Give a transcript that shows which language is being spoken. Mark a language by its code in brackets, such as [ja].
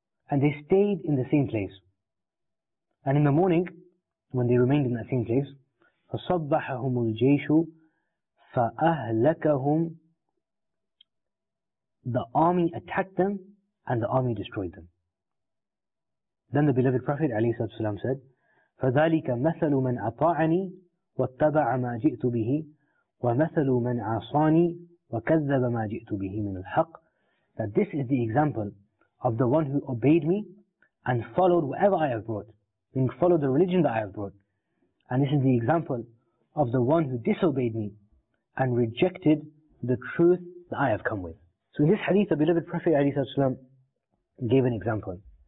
[en] And they stayed in the same place. And in the morning, when they remained in that same place, [ar] فَصَبَّحَهُمُ الْجَيْشُ فَأَهْلَكَهُمْ, [en] the army attacked them and the army destroyed them. Then the beloved Prophet ﷺ said, [ar] فَذَلِكَ مَثَلُ مَنْ أَطَاعَنِي وَاتَّبَعَ مَا جِئْتُ بِهِ وَمَثَلُ مَنْ عَصَانِي وَكَذَّبَ مَا جِئْتُ بِهِ مِنَ الْحَقِّ. [en] That this is the example of the one who obeyed me and followed whatever I have brought, meaning followed the religion that I have brought. And this is the example of the one who disobeyed me and rejected the truth that I have come with. So in this hadith, the beloved Prophet ﷺ gave an example.